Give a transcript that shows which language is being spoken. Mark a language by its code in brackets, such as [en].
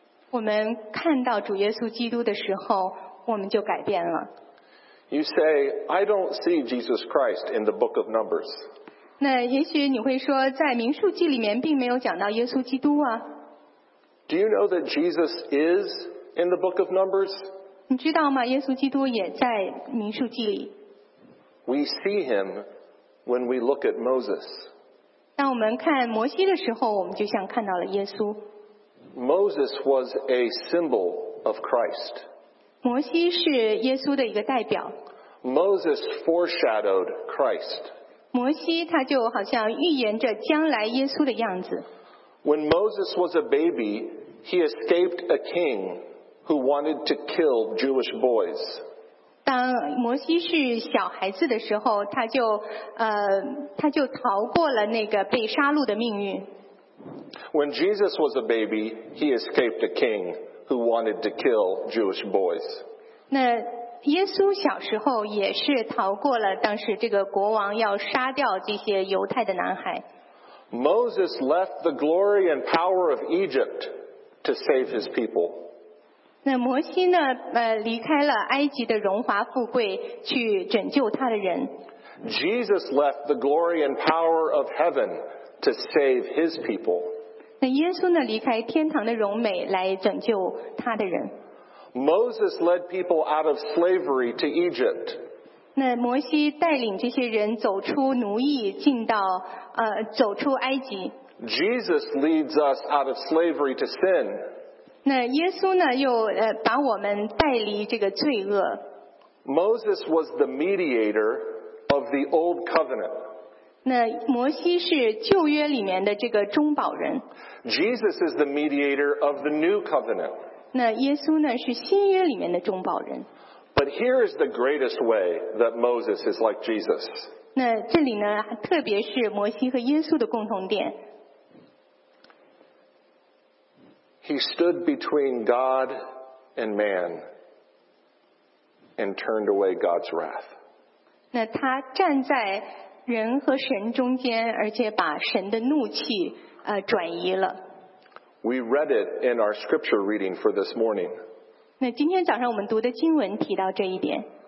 [zh] 我们看到主耶稣基督的时候，我们就改变了。 [en] You say, I don't see Jesus Christ in the book of Numbers. [zh] 那也许你会说，在民数记里面并没有讲到耶稣基督啊。 [en] Do you know that Jesus is in the book of Numbers? [zh] 你知道吗? 耶稣基督也在民数记里。 [en] We see Him when we look at Moses. [zh] 当我们看摩西的时候, 我们就像看到了耶稣。 [en] Moses was a symbol of Christ. [zh] 摩西是耶稣的一个代表。 [en] Moses foreshadowed Christ. [zh] 摩西他就好像预言着将来耶稣的样子。 [en] When Moses was a baby, he escaped a king who wanted to kill Jewish boys. [zh] 当摩西是小孩子的时候, 他就逃过了那个被杀戮的命运。 [en] When Jesus was a baby, he escaped a king who wanted to kill Jewish boys. [zh] 那耶稣小时候也是逃过了当时这个国王要杀掉这些犹太的男孩。 [en] Moses left the glory and power of Egypt to save his people. [zh] 那摩西呢？离开了埃及的荣华富贵，去拯救他的人。 [en] Jesus left the glory and power of heaven to save his people. [zh] 那耶稣呢？离开天堂的荣美来拯救他的人。 [en] Moses led people out of slavery to Egypt. [zh] 那摩西带领这些人走出奴役，进到走出埃及。 [en] Jesus leads us out of slavery to sin. [zh] 那耶稣呢？又把我们带离这个罪恶。 [en] Moses was the mediator of the old covenant. [zh] 那摩西是旧约里面的这个中保人。 [en] Jesus is the mediator of the new covenant. [zh] 那耶稣呢？是新约里面的中保人。 [en] But here is the greatest way that Moses is like Jesus. [zh] 那这里呢？特别是摩西和耶稣的共同点。 [en] He stood between God and man and turned away God's wrath. [zh] 那他站在人和神中间，而且把神的怒气转移了。 [en] We read it in our scripture reading for this morning. [zh] 那今天早上我们读的经文提到这一点。